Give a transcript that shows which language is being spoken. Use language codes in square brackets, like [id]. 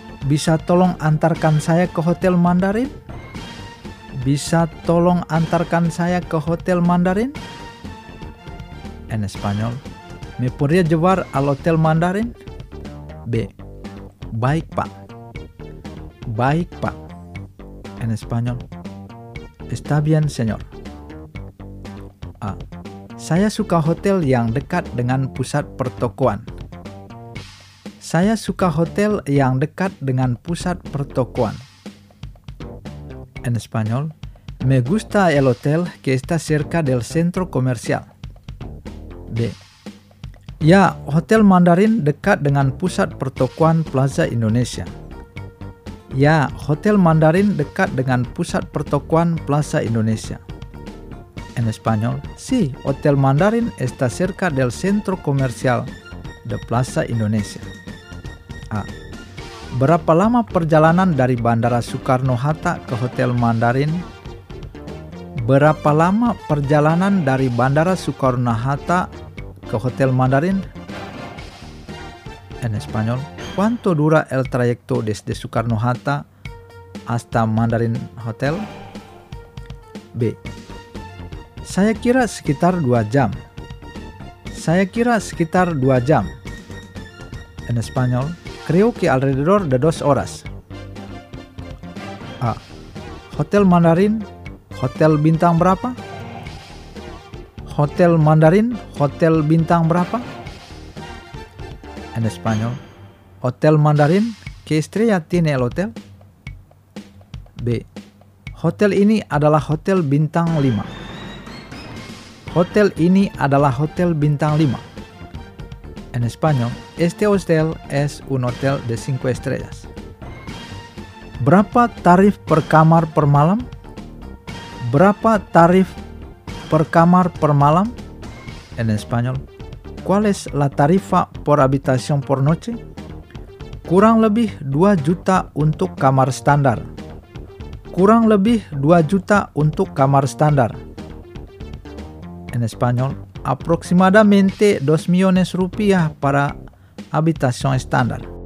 [id] Bisa tolong antarkan saya ke Hotel Mandarin? Bisa tolong antarkan saya ke Hotel Mandarin? [es] En español, ¿me podría llevar al Hotel Mandarin? B. [id] Baik, Pak. Baik, Pak. [es] En español, está bien, señor. A. [id] Saya suka hotel yang dekat dengan pusat pertokoan. Saya suka hotel yang dekat dengan pusat pertokoan. [es] En español, me gusta el hotel que está cerca del centro comercial. [id] B. Ya, Hotel Mandarin dekat dengan pusat pertokoan Plaza Indonesia. Ya, Hotel Mandarin dekat dengan pusat pertokoan Plaza Indonesia. [es] En español, sí, Hotel Mandarin está cerca del centro comercial de Plaza Indonesia. A. [id] Berapa lama perjalanan dari Bandara Soekarno-Hatta ke Hotel Mandarin? Berapa lama perjalanan dari Bandara Soekarno-Hatta ke Hotel Mandarin? [es] En español, ¿cuánto dura el trayecto desde Soekarno-Hatta hasta Mandarin Hotel? B. [id] Saya kira sekitar 2 jam. Saya kira sekitar 2 jam. [es] En español, creo que alrededor de 2 horas. A. [id] Hotel Mandarin, hotel bintang berapa? Hotel Mandarin, hotel bintang berapa? [es] En español, Hotel Mandarin, ¿qué estrella tiene el hotel? B. [id] Hotel ini adalah hotel bintang 5. Hotel ini adalah hotel bintang 5. [es] En español, este hotel es un hotel de 5 estrellas. [id] ¿Berapa tarif per kamar per malam? ¿Berapa tarif per kamar per malam? [es] En español, ¿cuál es la tarifa por habitación por noche? [id] Kurang lebih 2 juta untuk kamar standar. Kurang lebih 2 juta untuk kamar standar. [es] En español, aproximadamente 2 millones rupiah para habitación estándar.